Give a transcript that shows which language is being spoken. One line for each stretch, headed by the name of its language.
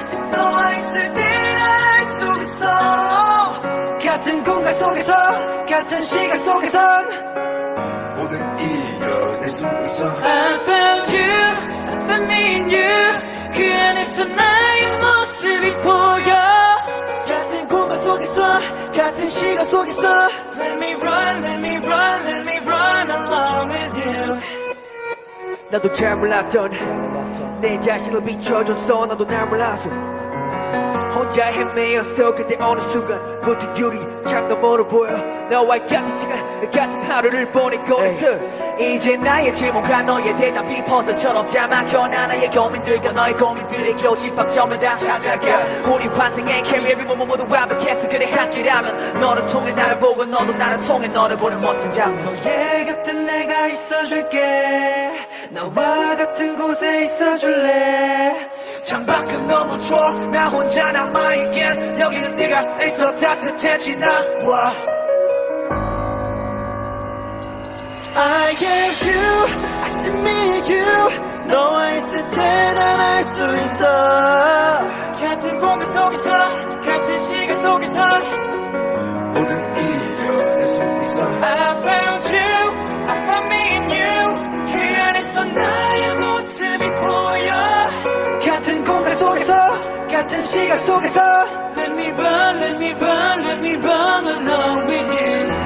Korean: 너와 있을 때란 알 수 있어. 같은 공간 속에서 같은 시간 속에서 모든 이겨낼 수 있어.
English: I found you, I found me and you.
Korean: 그 안에서 나의 모습이 보여. 같은 공간 속에서 같은 시간 속에서
English: Let me run, let me run, let me run along with you.
Korean: 나도 잘 몰랐던 내 자신을 비춰줬어. 나도 날 몰랐어. 혼자 헤매였어. 근데 어느 순간 모든 유리 창도 멀어 보여. 너와의 같은 시간 같은 하루를 보내고 있어. 이제 나의 질문과 너의 대답이 퍼즐처럼 짜막혀. 나 나의 고민들과 너의 고민들의 교집합점을 다 찾아가. 우리 환승의 케미리 모모 모두 완벽해서 그래 함께라면 너를 통해 나를 보고 너도 나를 통해 너를 보는 멋진 장면. 너의 곁은 내가 있어줄게. 나와 같은 곳에 있어줄래. 창밖은 너무 추워 나 혼자 남아있겐. 여기는 네가 있어 따뜻해지나 봐.
English: I have you, I see me and you.
Korean: 너와 있을 때 난 알 수 있어. 같은 공간 속에서 같은 시간 속에서 모든 이겨낼 수 있어.
English: I found you, I found me and you.
Korean: 그 안에서 나의 모습이 보여. 같은 공간 속에서 같은 시간 속에서
English: Let me run, let me run, let me run along with you.